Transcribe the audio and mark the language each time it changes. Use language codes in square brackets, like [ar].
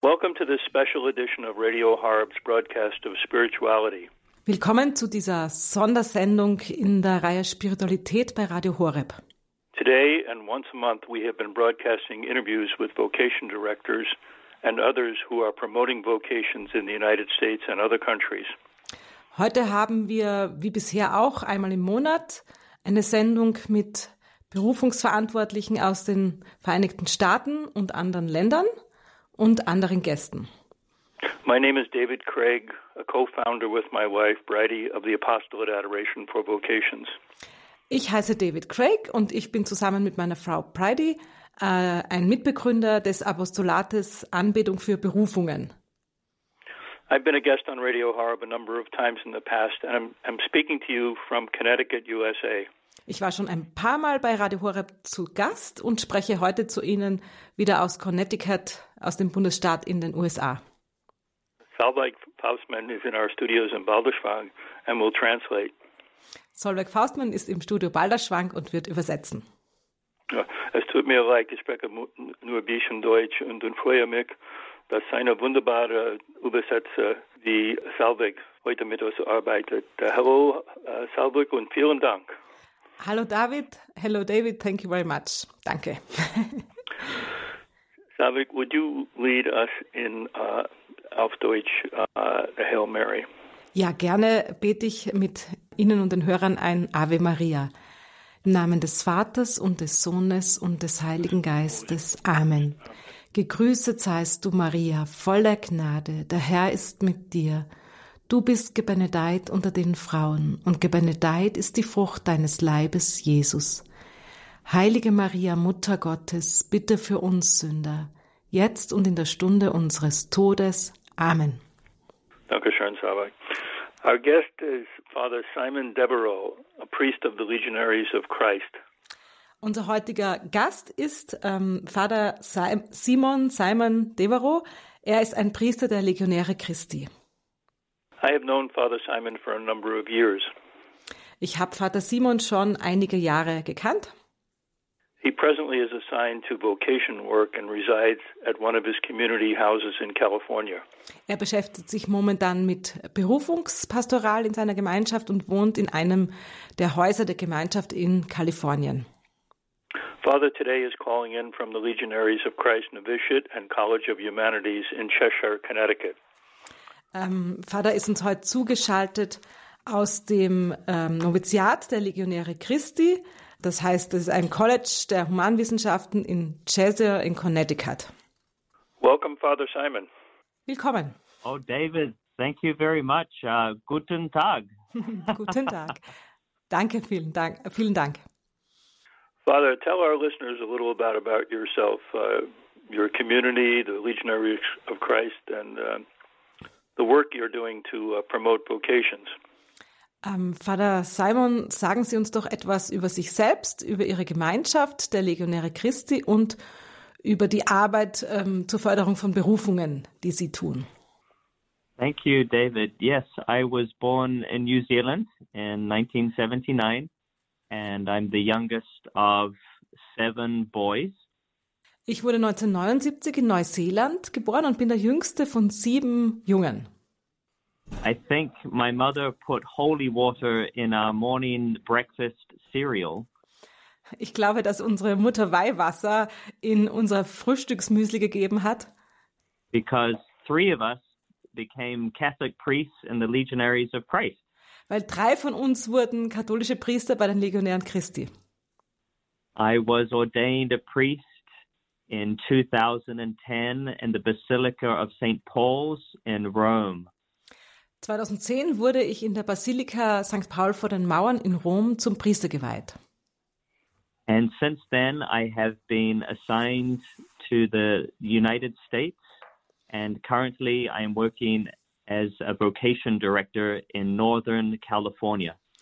[en] Welcome to this special edition of Radio Horeb's broadcast of spirituality. [de] Willkommen zu dieser Sondersendung in der Reihe Spiritualität bei Radio Horeb. [en] Today and once a month we have been broadcasting interviews with vocation directors and others who are promoting vocations in the United States and other countries. [de] Heute haben wir, wie bisher auch, einmal im Monat eine Sendung mit Berufungsverantwortlichen aus den Vereinigten Staaten und anderen Ländern und anderen Gästen. [en] My name is David Craig, a co-founder with my wife Bridie of the Apostolate Adoration for Vocations. [de] Ich heiße David Craig und ich bin zusammen mit meiner Frau Bridie ein Mitbegründer des Apostolates Anbetung für Berufungen. [en] I've been a guest on Radio Horeb a number of times in the past and I'm speaking to you from Connecticut, USA. [de] Ich war schon ein paar Mal bei Radio Horeb zu Gast und spreche heute zu Ihnen wieder aus Connecticut, aus dem Bundesstaat in den USA. [en] Solveig Faustmann is in our studios in Balderschwang and will translate. [de] Solveig Faustmann ist im Studio Balderschwang und wird übersetzen. Es tut mir leid, ich spreche nur ein bisschen Deutsch und freue mich, dass seine wunderbare Übersetzer, die Solveig, heute mit uns arbeitet. Hallo Solveig und vielen Dank. [en] Hallo David, hello David, thank you very much. [de] Danke. [en] Solveig, would you lead us in [de] auf Deutsch [en] the Hail Mary? [de] Ja, gerne bete ich mit Ihnen und den Hörern ein Ave Maria. Im Namen des Vaters und des Sohnes und des Heiligen Geistes. Amen. Gegrüßet seist du, Maria, voller Gnade, der Herr ist mit dir. Du bist gebenedeit unter den Frauen, und gebenedeit ist die Frucht deines Leibes, Jesus. Heilige Maria, Mutter Gottes, bitte für uns Sünder, jetzt und in der Stunde unseres Todes. Amen. Dankeschön, Solveig. [en] Our guest is Father Simon Devereaux, a priest of the Legionaries of Christ. [de] Unser heutiger Gast ist Father Simon Devereaux. Er ist ein Priester der Legionäre Christi. [en] I have known Father Simon for a number of years. [de] Ich habe Vater Simon schon einige Jahre gekannt. [en] He presently is assigned to vocation work and resides at one of his community houses in California. [de] Er beschäftigt sich momentan mit Berufungspastoral in seiner Gemeinschaft und wohnt in einem der Häuser der Gemeinschaft in Kalifornien. [en] Father today is calling in from the Legionaries of Christ Novitiate and College of Humanities in Cheshire, Connecticut. [de] Vater ist uns heute zugeschaltet aus dem Noviziat der Legionäre Christi. Das heißt, es ist ein College der Humanwissenschaften in Cheshire in Connecticut. [en] Welcome, Father Simon. [de] Willkommen. [en] Oh, David, thank you very much. [de] Guten Tag. Guten Tag. Danke, vielen Dank. Vielen Dank. [en] Father, tell our listeners a little about yourself, your community, the Legionaries of Christ, and the work you're doing to promote vocations. [de] Father Simon, sagen Sie uns doch etwas über sich selbst, über Ihre Gemeinschaft der Legionäre Christi und über die Arbeit zur Förderung von Berufungen, die Sie tun. [en] Thank you, David. Yes, I was born in New Zealand in 1979 and I'm the youngest of seven boys. [de] Ich wurde 1979 in Neuseeland geboren und bin der jüngste von sieben Jungen. [en] I think my mother put holy water in our morning breakfast cereal. [de] Ich glaube, dass unsere Mutter Weihwasser in unser Frühstücksmüsli gegeben hat. [en] Because three of us became Catholic priests in the Legionaries of Christ. [de] Weil drei von uns wurden katholische Priester bei den Legionären Christi. [en] I was ordained a priest in 2010 in the Basilica of St. Paul's in Rome. [de] 2010 wurde ich in der Basilika St. Paul vor den Mauern in Rom zum Priester geweiht. [en] And since then I have been assigned to the United States and currently I am working as a vocation director in Northern California.